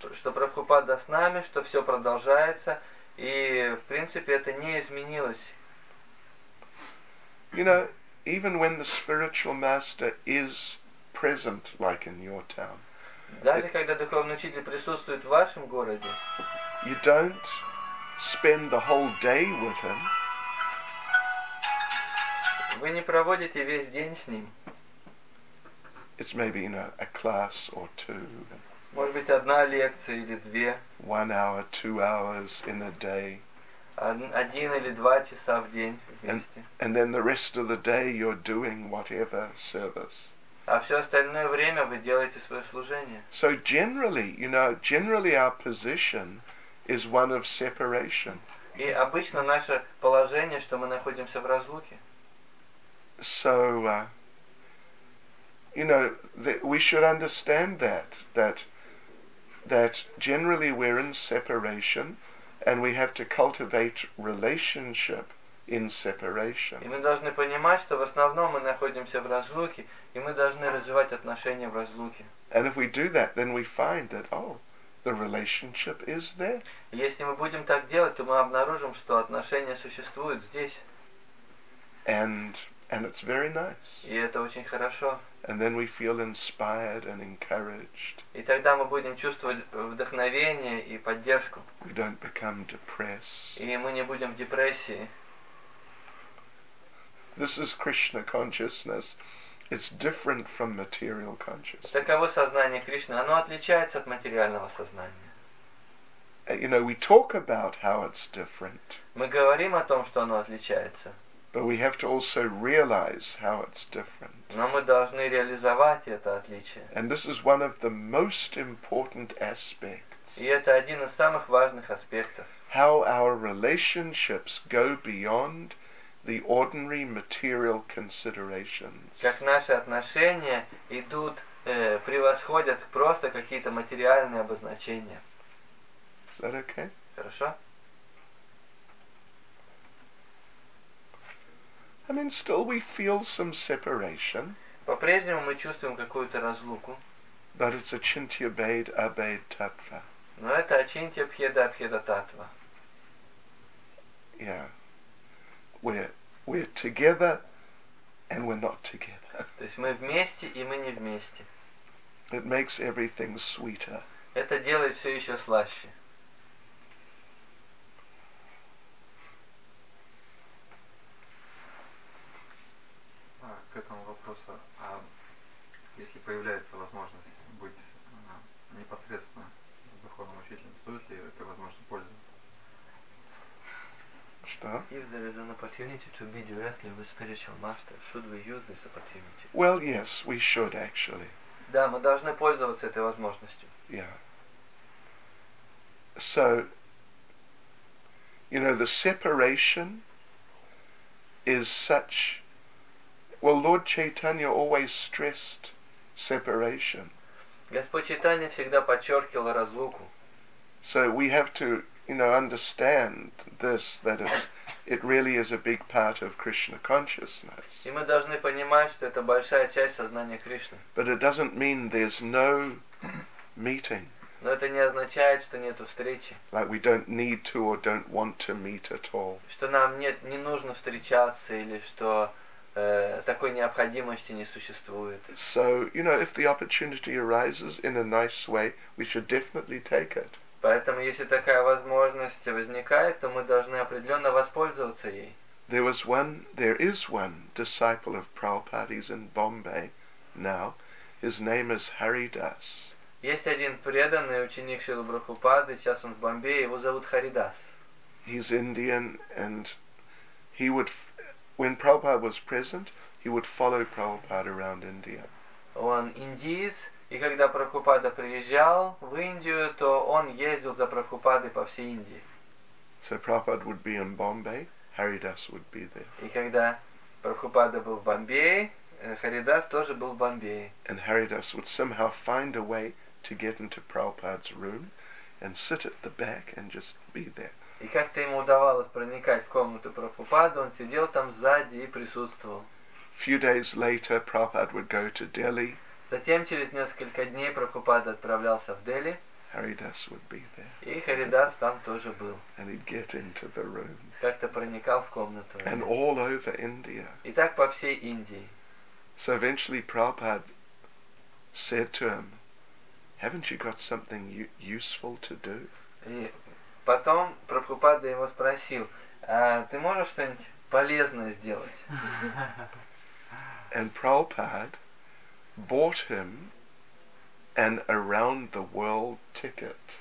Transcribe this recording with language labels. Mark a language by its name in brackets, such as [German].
[Russian] Что Прабхупада с нами, что все продолжается, и в принципе это не изменилось. [English] You know, even when the spiritual master is present, like in your town. [Russian] Даже когда духовный учитель присутствует в вашем городе. [English] You don't spend the whole day with him. [Russian] Вы не проводите весь день с ним. [English] It's maybe, you know, a class or two. [Russian] Может быть, одна лекция или две. [English] 1 hour, 2 hours in a day. [Russian] Один или два часа в день вместе. [English] And then the rest of the day you're doing whatever service. [Russian] А все остальное время вы делаете свое служение. [English] So generally, you know, generally our position is one of separation. [Russian] И обычно наше положение, что мы находимся в разлуке. [English] So, you know, we should understand that generally we're in separation, and we have to cultivate relationship in separation. [Russian] И мы должны понимать, что в основном мы находимся в разлуке, и мы должны развивать отношения в разлуке. [English] And if we do that, then we find that the relationship is there. [Russian] Если мы будем так делать, то мы обнаружим, что отношения существуют здесь. [English] And And it's very nice. [Russian] И это очень хорошо. [English] And then we feel inspired and encouraged. [Russian] И тогда мы будем чувствовать вдохновение и поддержку. [English] We don't become depressed. [Russian] И мы не будем в депрессии. [English] This is Krishna consciousness. It's different from material consciousness. [Russian] Таково сознание Кришны. Оно отличается от материального сознания. [English] You know, we talk about how it's different. [Russian] Мы говорим о том, что оно отличается. [English] But we have to also realize how it's different. [Russian] Но мы должны реализовать это отличие. [English] And this is one of the most important aspects. [Russian] И это один из самых важных аспектов. [English] How our relationships go beyond the ordinary material considerations. [Russian] Как наши отношения идут, превосходят просто какие-то материальные обозначения. [English] Is that okay? [Russian] Хорошо. [English] I mean, still we feel some separation. [Russian] По-прежнему мы чувствуем какую-то разлуку. [English] But it's achintya bheda abheda tattva. [Russian] Но это achintya bheda abheda tattva. [English] Yeah. We're together and we're not together. [Russian] То есть мы вместе и мы не вместе. [English] It makes everything sweeter. [Russian] Это делает все еще слаще. К этому вопросу, а если появляется возможность быть непосредственно духовным учителем, стоит ли этой возможностью пользоваться? Что? [English] If there is an opportunity to be directly with spiritual master, should we use this opportunity? Well, yes, we should actually. [Russian] Да, мы должны пользоваться этой возможностью. [English] Yeah. So, you know, the separation is such. Well, Lord Chaitanya always stressed separation. [Russian] Господь Чайтанья всегда подчеркивал разлуку. [English] So we have to, you know, understand this, that it really is a big part of Krishna consciousness. [Russian] И мы должны понимать, что это большая часть сознания Кришны. [English] But it doesn't mean there's no meeting. [Russian] Но это не означает, что нету встречи. [English] Like we don't need to or don't want to meet at all. [Russian] Что нам не нужно встречаться или что такой необходимости не существует. [English] So, you know, if the opportunity arises in a nice way, we should definitely take it. [Russian] Поэтому, если такая возможность возникает, то мы должны определенно воспользоваться ей. [English] There is one disciple of Prabhupada's in Bombay now. His name is Haridas. [Russian] Есть один преданный ученик Шрилы Прабхупады, сейчас он в Бомбее, его зовут Харидас. [English] He's Indian and he would. When Prabhupada was present, he would follow Prabhupada around India. [Russian] Он индиец, и когда Прабхупада приезжал в Индию, то он ездил за Прабхупадой по всей Индии. [English] So Prabhupada would be in Bombay, Haridas would be there. [Russian] И когда Прабхупада был в Бомбее, Харидас тоже был в Бомбее. [English] And Haridas would somehow find a way to get into Prabhupada's room and sit at the back and just be there. [Russian] И как-то ему удавалось проникать в комнату Прабхупады, он сидел там сзади и присутствовал. [English] Few days later, Prabhupada would go to Delhi. [Russian] Затем через несколько дней Прабхупада отправлялся в Дели. [English] Haridas would be there. [Russian] И Харидас там тоже был. [English] And he'd get into the room. [Russian] Как-то проникал в комнату. [English] And all over India. [Russian] И так по всей Индии. [English] So eventually Prabhupada said to him, "Haven't you got something useful to do?" [Russian] Потом Прабхупада его спросил, а ты можешь что-нибудь полезное сделать? [English] And Prabhupada bought him an around-the-world ticket.